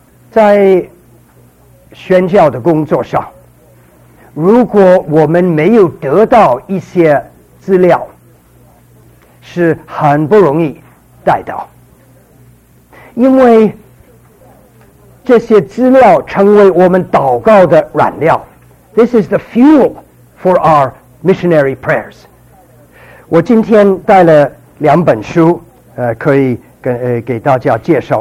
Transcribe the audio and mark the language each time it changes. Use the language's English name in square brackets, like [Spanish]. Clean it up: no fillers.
[Chinese] 在宣教的工作上，如果我们没有得到一些资料，是很不容易代祷，因为这些资料成为我们祷告的燃料。 [English] This is the fuel for our missionary prayers。 [Chinese] 我今天带了两本书可以给大家介绍。